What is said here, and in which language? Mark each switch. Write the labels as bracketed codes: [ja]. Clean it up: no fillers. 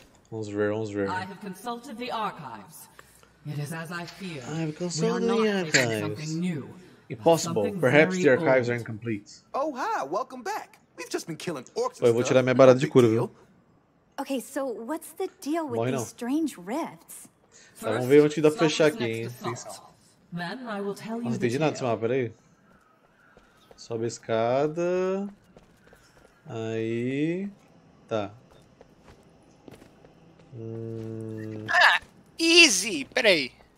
[pt] Vamos ver. [en] I have consulted the archives. It is as I fear. I have consulted the archives. Impossible. Perhaps the archives are incomplete. Oh, hi. Welcome back. We've just been killing orcs. [pt] Eu vou tirar minha barata de cura, viu? [en] Okay, so what's the deal with these strange rifts? [pt] Vamos ver onde dá pra fechar aqui, hein? Não entendi nada desse mapa, peraí. Sobe a escada. Aí. Tá. [en] Ah, easy! [pt] Peraí.